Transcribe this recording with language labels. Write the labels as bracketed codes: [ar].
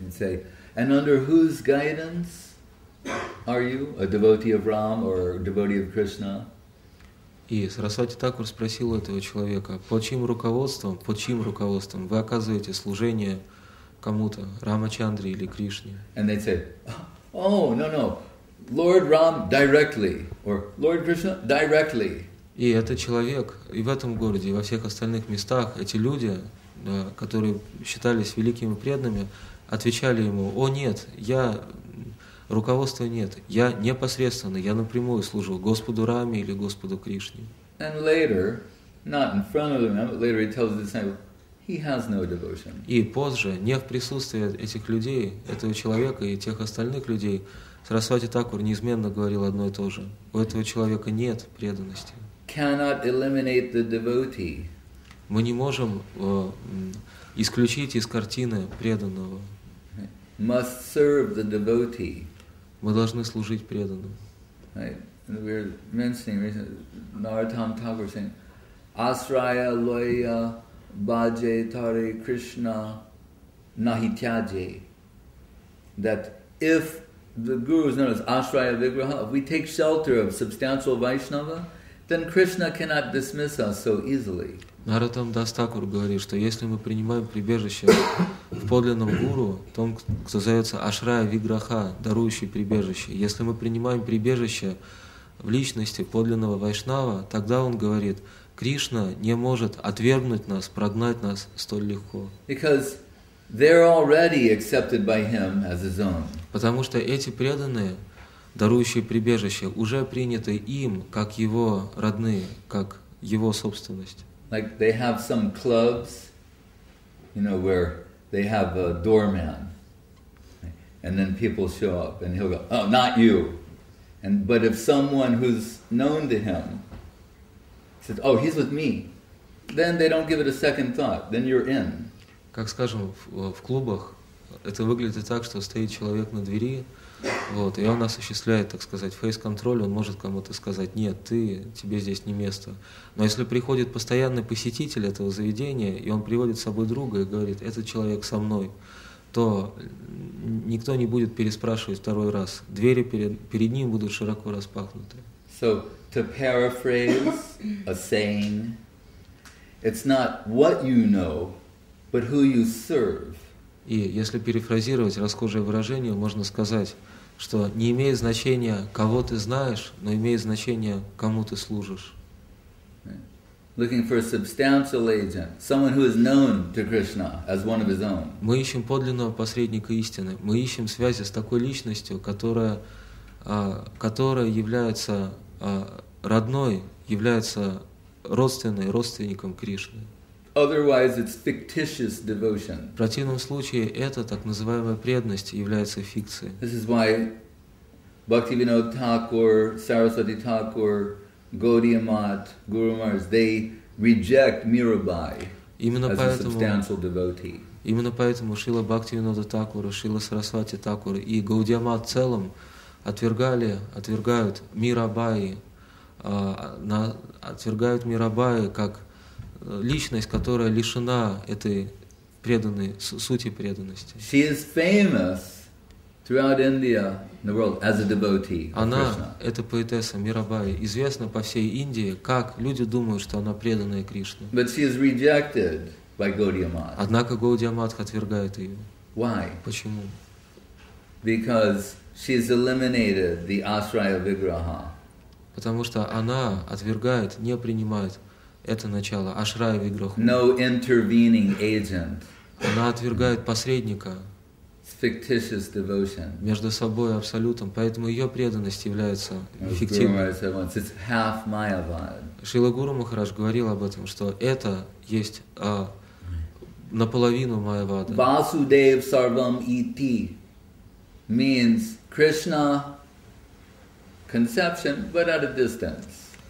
[en] He'd say, and under whose guidance are you, a devotee of Ram or a devotee of Krishna? [ru] И Сарасвати Такур спросил этого человека, под чьим руководством вы оказываете служение кому-то, Рамачандре или Кришне? [en] And they'd say, oh, no, Lord Ram directly, or Lord Krishna directly. [ru] И этот человек, и в этом городе, и во всех остальных местах, эти люди, которые считались великими преданными, отвечали ему, о нет, я, руководства нет, я непосредственно, я напрямую служу Господу Раме или Господу Кришне. [en] And later, not in front of them, but later he tells the disciple, he has no devotion. [ru] И позже, не в присутствии этих людей, этого человека и тех остальных людей, Сарасвати Такур неизменно говорил одно и то же. У этого человека нет преданности. [en] Cannot eliminate the devotee. [ru] Мы не можем исключить из картины преданного. [en] Must serve the devotee. [ru] Мы должны служить преданным. [en] Right. We're mentioning recently Narottam Thakur saying, [bn] Asraya loya bhaje tare Krishna nahityaje. [en] That if the guru is known as Asraya Vigraha, if we take shelter of substantial Vaishnava, then Krishna cannot dismiss us so easily. [ru] Narottam Das Thakur говорит, что если мы принимаем прибежище в подлинном гуру, том, кто зовется Ашрая Виграха, дарующий прибежище, если мы принимаем прибежище в личности подлинного Вайшнава, тогда он говорит, Кришна не может отвергнуть нас, прогнать нас столь легко. [en] Because they're already accepted by him as his own. [ru] Потому что эти преданные, дарующие прибежище, уже приняты им как его родные, как его собственность. [en] Like they have some clubs, you know, where they have a doorman, and then people show up, and he'll go, "Oh, not you." But if someone who's known to him says, "Oh, he's with me," then they don't give it a second thought. Then you're in. [ru] Как скажем, в клубах это выглядит так, что стоит человек на двери. Вот, и он осуществляет, так сказать, фейс-контроль, он может кому-то сказать, нет, тебе здесь не место. Но если приходит постоянный посетитель этого заведения, и он приводит с собой друга и говорит, этот человек со мной, то никто не будет переспрашивать второй раз. Двери перед ним будут широко распахнуты. [en] So, to paraphrase a saying, it's not what you know, but who you serve. [ru] И если перефразировать расхожее выражение, можно сказать, что не имеет значения, кого ты знаешь, но имеет значение, кому ты служишь. [en] Looking for a substantial agent, someone who is known to Krishna as one of his own. [ru] Мы ищем подлинного посредника истины. Мы ищем связи с такой личностью, которая является родной, является родственной, родственником Кришны. [en] Otherwise, it's fictitious devotion. [ru] В противном случае, это так называемая преданность является фикцией. [en] This is why Bhaktivinoda Thakur, Saraswati Thakur, Gaudiya Math, Guru Maharaj, they reject Mirabai as a substantial devotee. [ru] Именно поэтому Шрила Бхактивинода Такур, Шрила Сарасвати Такур и Гаудия Мат в целом отвергают Мирабаи как личность, которая лишена этой преданной сути преданности. [en] She is famous throughout India, the world, as a devotee. [ru] Она, эта поэтесса Мирабаи, известна по всей Индии, как люди думают, что она преданная Кришне. [en] But she is rejected by Gaudiya Math. [ru] Однако Гаудия Матха отвергает ее. [en] Why? [ru] Почему? [en] Because she has eliminated the ashraya vigraha. [ru] Потому что она отвергает, не принимает это начало ашрая виграху. [en] No intervening agent. [ru] Она отвергает посредника. [en] It's fictitious devotion. [ru] Между собой и абсолютом, поэтому ее преданность является фиктивной. Шрила Гуру Махарадж говорил об этом, что это есть наполовину майявада. [en] Vasudev sarvam iti means Krishna conception, but at a distance.